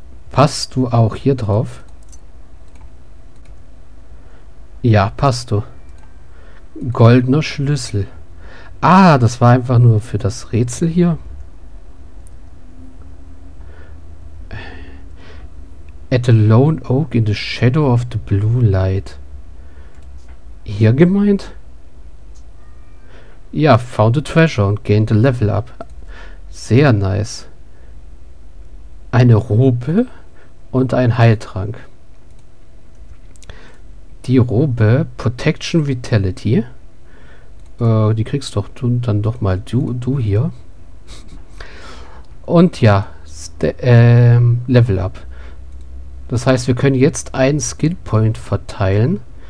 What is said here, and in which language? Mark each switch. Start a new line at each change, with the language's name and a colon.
German: Passt du auch hier drauf? Ja, passt du. Goldener Schlüssel. Ah, das war einfach nur für das Rätsel hier.
English: At the lone oak in the shadow of the blue light.
German: Hier gemeint?
English: Ja, found a treasure and gained a level up.
German: Sehr nice. Eine Robe und ein Heiltrank. Die Robe, Protection Vitality. Die kriegst doch du dann doch mal du hier. Und ja, Level up. Das heißt, wir können jetzt einen Skill Point verteilen.